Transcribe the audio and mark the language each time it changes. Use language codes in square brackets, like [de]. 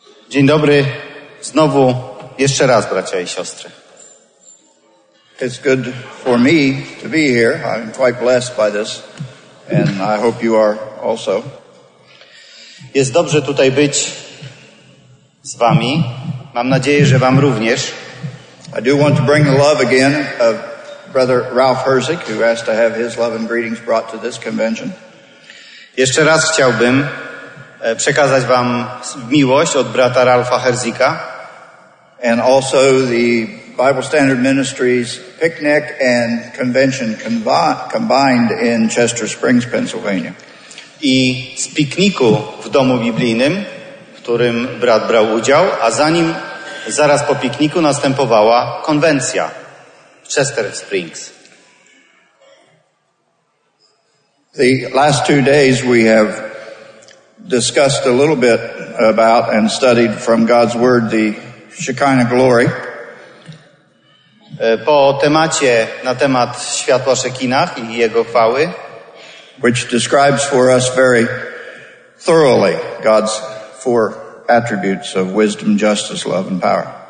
[pl] Dzień dobry, znowu jeszcze raz, bracia i siostry. [en] It's good for me to be here. I'm quite blessed by this, and I hope you are also. [pl] Jest dobrze tutaj być z wami. Mam nadzieję, że wam również. [en] I do want to bring the love again of brother Ralph Herzig, who asked to have his love and greetings brought to this convention. [pl] Jeszcze raz chciałbym przekazać wam miłość od brata Ralpha Herzika. [en] And also the Bible Standard Ministries picnic and convention combined in Chester Springs, Pennsylvania. [pl] I z pikniku w domu biblijnym, w którym brat brał udział, a zanim zaraz po pikniku następowała konwencja w Chester Springs. [en] The last 2 days we have discussed a little bit about and studied from God's Word the Shekinah glory. [pl] Po temacie na temat światła Szekinach i jego chwały, [en] which describes for us very thoroughly God's four attributes of wisdom, justice, love and power.